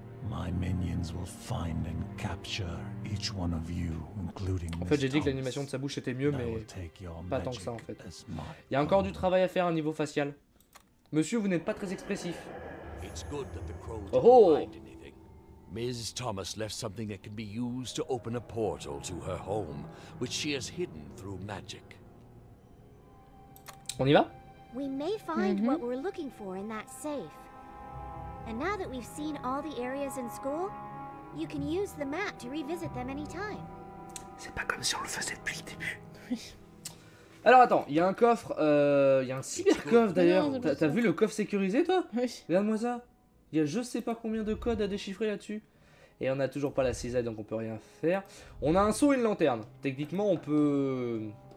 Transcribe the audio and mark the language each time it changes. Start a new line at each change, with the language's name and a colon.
English: My minions will find and capture each one of you, including
French: en fait, j'ai dit que l'animation de sa bouche était mieux, mais pas tant que ça, en fait. Il y a encore du travail à faire à niveau facial. Monsieur, vous n'êtes pas très expressif. Oh oh!
English: Ms. Thomas left something that can be used to open a portal to her home, which she has hidden through magic.
French: On y va?
English: We may find what we're looking for in that safe. And now that we've seen all the areas in school, you can use the map to revisit them anytime.
French: C'est pas comme si on le faisait depuis le début. Alors attends, il y a un coffre, il y a un cybercoffre d'ailleurs. T'as vu le coffre sécurisé toi? Oui. Regarde-moi ça. Il y a je sais pas combien de codes à déchiffrer là-dessus. Et on a toujours pas la cisaille donc on peut rien faire. On a un seau et une lanterne. Techniquement on peut...